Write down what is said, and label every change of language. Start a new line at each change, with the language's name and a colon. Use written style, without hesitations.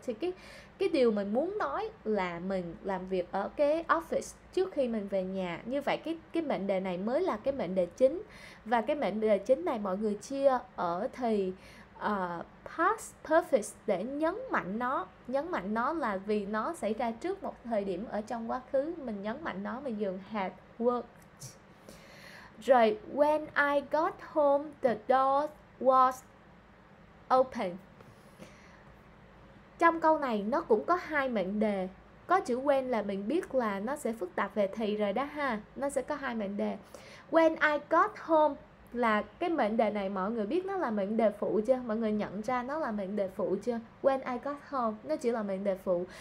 Vietnamese: Thì cái điều mình muốn nói là mình làm việc ở cái office trước khi mình về nhà. Như vậy cái mệnh đề này mới là cái mệnh đề chính. Và cái mệnh đề chính này mọi người chia ở thì past perfect để nhấn mạnh nó. Nhấn mạnh nó là vì nó xảy ra trước một thời điểm ở trong quá khứ. Mình nhấn mạnh nó, mình dùng had worked. Rồi,
English: when I got home, the door was open.
Vietnamese: Trong câu này, nó cũng có hai mệnh đề. Có chữ when là mình biết là nó sẽ phức tạp về thì rồi đó ha. Nó sẽ có hai mệnh đề.
English: When I got home
Vietnamese: là cái mệnh đề này, mọi người biết nó là mệnh đề phụ chưa? Mọi người nhận ra nó là mệnh đề phụ chưa?
English: When I got home,
Vietnamese: nó chỉ là mệnh đề phụ.